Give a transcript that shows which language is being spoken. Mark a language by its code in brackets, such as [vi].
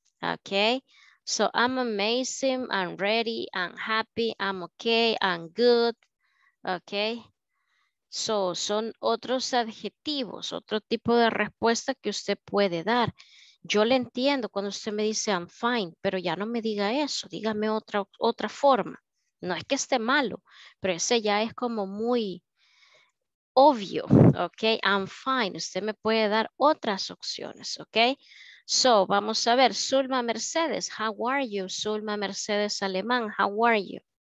[en] Okay, so I'm amazing, I'm ready, I'm happy, I'm okay, I'm good. [es] Okay, so son otros adjetivos, otro tipo de respuesta que usted puede dar. Yo le entiendo cuando usted me dice [en] I'm fine, [es] pero ya no me diga eso, dígame otra forma, No es que esté malo, pero ese ya es como muy obvio, ¿ok? [en] I'm fine. [es] Usted me puede dar otras opciones, ¿ok? [en] So, [es] vamos a ver, [en] Zulma Mercedes, how are you? Zulma Mercedes Alemán, how are you?